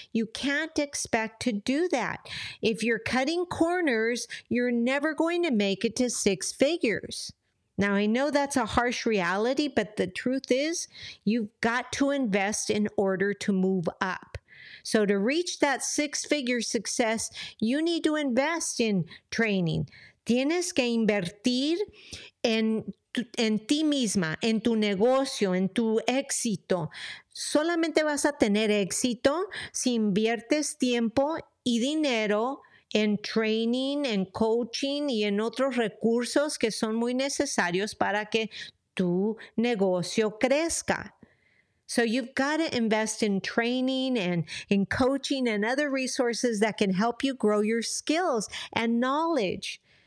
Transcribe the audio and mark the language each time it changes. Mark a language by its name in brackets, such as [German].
[English] You can't expect to do that. If you're cutting corners, you're never going to make it to six figures. Now, I know that's a harsh reality, but the truth is you've got to invest in order to move up. So to reach that six-figure success, you need to invest in training. [Spanish] Tienes que invertir en ti misma, en tu negocio, en tu éxito. Solamente vas a tener éxito si inviertes tiempo y dinero en training, en coaching y en otros recursos que son muy necesarios para que tu negocio crezca. [English] So you've got to invest in training and in coaching and other resources that can help you grow your skills and knowledge.